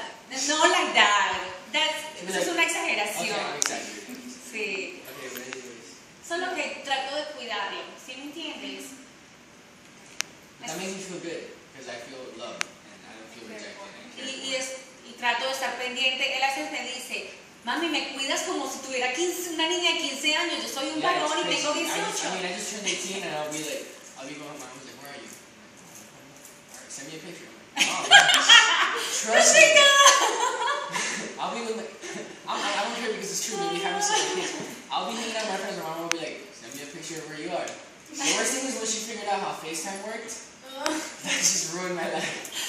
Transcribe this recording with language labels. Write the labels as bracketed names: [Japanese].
[English] No, like that. That's [Spanish] eso es una exageración. [English] Okay, exactly. [Spanish] Sí. Solo que trato de cuidarlo, ¿sí me entiendes? [English] That makes me feel good, because I feel loved, and I don't feel rejected. [Spanish] Y trato de estar pendiente. Él a veces me dice, mami, me cuidas como si tuviera 15, una niña de 15 años, yo soy un varón y tengo 18. [English] I mean, I just turned 18, and I'll be going home, and I'm like, where are you? Alright, send me a picture. Trust me. I don't care because it's true, but we have a certain kids. I'll be hanging out with my friends, and my mom will be like, send me a picture of where you are. The worst thing is when she figured out how FaceTime worked, that just ruined my life.